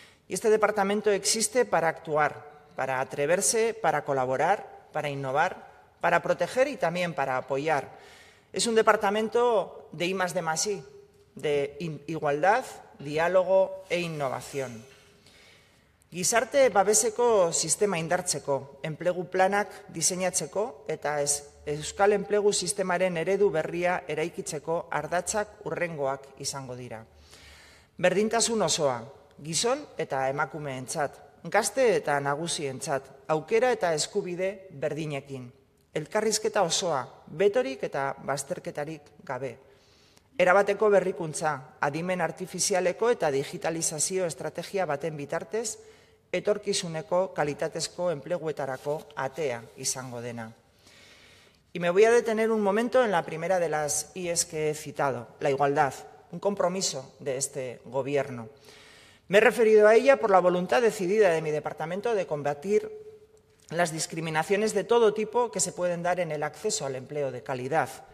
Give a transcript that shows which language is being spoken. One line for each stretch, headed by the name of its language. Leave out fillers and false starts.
Spanish: Y este departamento existe para actuar, para atreverse, para colaborar, para innovar, para proteger y también para apoyar. Es un departamento de I+D+I, de igualdad, diálogo e innovación.
Basque: Gizarte babeseko sistema indartzeko, enplegu planak diseinatzeko eta euskal enplegu sistemaren eredu berria eraikitzeko ardatzak urrengoak izango dira. Berdintasun osoa, gizon eta emakumeentzat, gazte eta nagusientzat, aukera eta eskubide berdinekin. Elkarrizketa osoa, betorik eta bazterketarik gabe. Erabateko berrikuntza, adimen artifizialeko eta digitalizazio estrategia baten bitartez, etorkizuneko kalitatezko enpleguetarako atea izango dena.
Spanish: Y me voy a detener un momento en la primera de las IES que he citado, la igualdad, un compromiso de este Gobierno. Me he referido a ella por la voluntad decidida de mi departamento de combatir las discriminaciones de todo tipo que se pueden dar en el acceso al empleo de calidad.